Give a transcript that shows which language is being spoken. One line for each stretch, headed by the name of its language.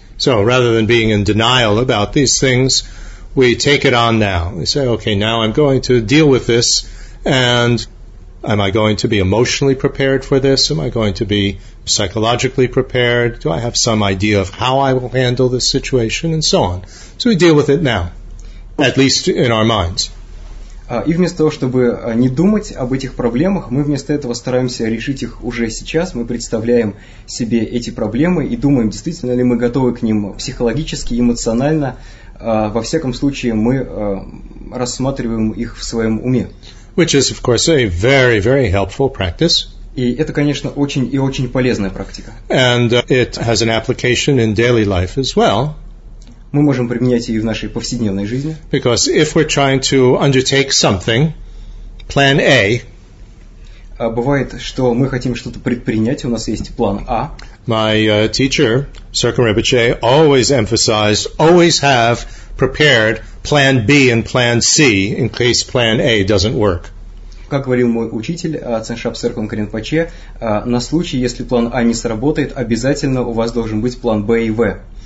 English: So, rather than being in denial about these things, we take it on now. We say, okay, now I'm going to deal with this, and am I going to be emotionally prepared for this? Am I going to be psychologically prepared? Do I have some idea of how I will handle this situation? And so on. So we deal with it now, at least in our minds.
Russian: И вместо того, чтобы не думать об этих проблемах, мы вместо этого стараемся решить их уже сейчас. Мы представляем себе эти проблемы и думаем, действительно ли мы готовы к ним психологически, эмоционально. Во всяком случае, мы рассматриваем их в своем уме.
English: Which is, of course, a very, very helpful practice.
Russian: И это, конечно, очень и очень полезная практика.
English: And it has an application in daily life as well.
Russian: Мы можем применять ее в нашей повседневной жизни.
English: Because if we're trying to undertake something, plan A.
Russian: Бывает, что мы хотим что-то предпринять, у нас есть план А.
English: My teacher, Sirkin Rinpoche, always emphasized, always have prepared plan B and plan C in case plan A doesn't work.
Russian: Как говорил мой учитель, Ценшап Сыркон Каринпоче, на случай, если план А не сработает, обязательно у вас должен быть план Б и В.